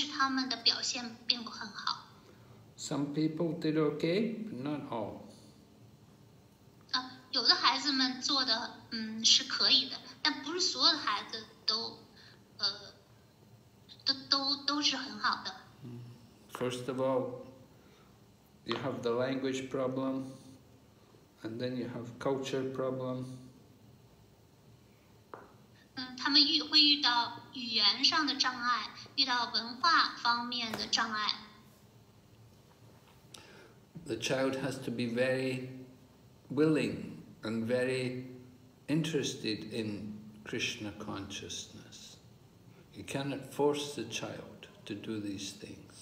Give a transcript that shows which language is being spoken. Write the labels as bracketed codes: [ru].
[zh] 对孩子们来说也是有困难的，就是有一些孩子们，他们以前呢，他们是这么做的，他们来到了这里来学习，但是他们的表现并不很好。 [en] Some people did okay, but not all. [zh] 有的孩子们做的是可以的，但不是所有的孩子都是很好的。 [en] First of all, you have the language problem, and then you have culture problem. [zh] 他们会遇到语言上的障碍，遇到文化方面的障碍。 [en] The child has to be very willing and very interested in Krishna consciousness. You cannot force the child to do these things.